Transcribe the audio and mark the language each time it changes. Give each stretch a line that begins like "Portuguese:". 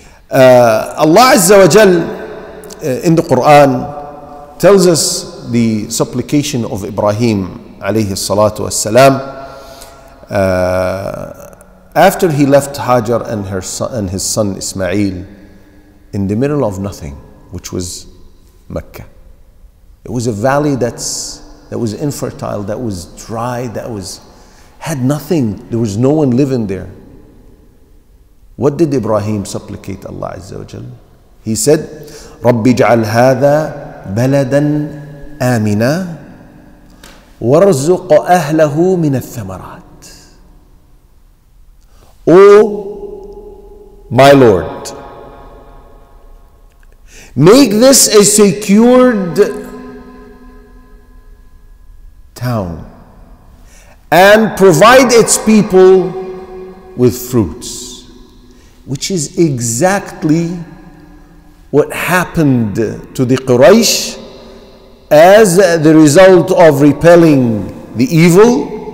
English: Allah Azza wa Jal in the Quran tells us the supplication of Ibrahim alayhi salatu wassalam after he left Hajar and her son, and his son Ismail, in the middle of nothing, which was Mecca. It was a valley that was infertile, that was dry, that was had nothing. There was no one living there. What did Ibrahim supplicate Allah Azza wa Jal? He said,
Arabic: رَبِّ جَعَلْ هَذَا بَلَدًا آمِنًا وَرَزُقْ أَهْلَهُ مِنَ الثَّمَرَاتِ.
English: Oh my Lord, make this a secured town and provide its people with fruits, which is exactly what happened to the Quraysh as the result of repelling the evil.